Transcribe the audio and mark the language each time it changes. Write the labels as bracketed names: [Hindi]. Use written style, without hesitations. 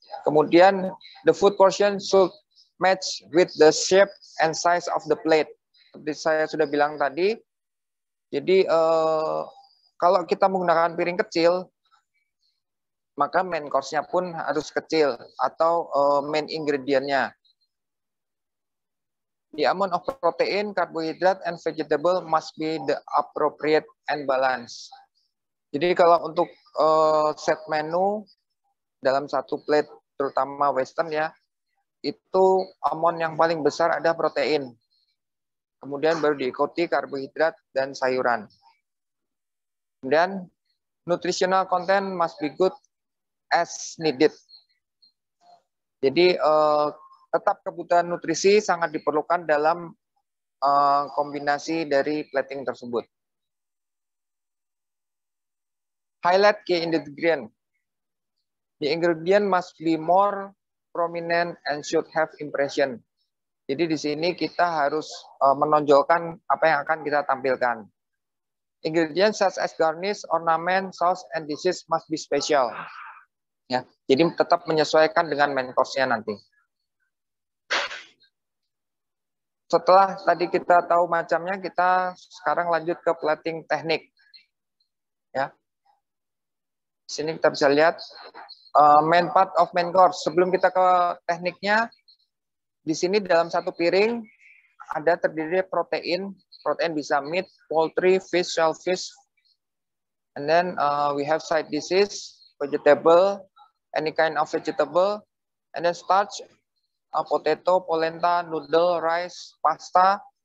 [English] Kemudian the food portion should match with the shape and size of the plate. [Indonesian] Seperti saya sudah bilang tadi. Jadi kalau kita menggunakan piring kecil, maka main course-nya pun harus kecil atau main ingredient-nya. [English] The amount of protein, carbohydrate, and vegetable must be the appropriate and balanced. [Indonesian] Jadi kalau untuk set menu dalam satu plate, terutama western ya, itu amount yang paling besar ada protein. Kemudian baru diikuti karbohidrat dan sayuran. Kemudian [English] nutritional content must be good as needed. [Indonesian] Jadi tetap kebutuhan nutrisi sangat diperlukan dalam kombinasi dari plating tersebut. [English] Highlight key ingredient. The ingredient must be more prominent and should have impression. [Indonesian] Jadi di sini kita harus menonjolkan apa yang akan kita tampilkan. [English] Ingredients such as garnish, ornament, sauce, and dishes must be special. [Indonesian] Ya, jadi tetap menyesuaikan dengan main course-nya nanti. Setelah tadi kita tahu macamnya, kita sekarang lanjut ke plating teknik. Ya, sini kita bisa lihat [English] main part of main course. [Indonesian] Sebelum kita ke tekniknya, di sini dalam satu piring ada terdiri protein. Protein bisa [English] meat, poultry, fish, shellfish, and then we have side dishes, vegetable, any kind of vegetable, and then starch, potato, polenta, noodle, rice, pasta.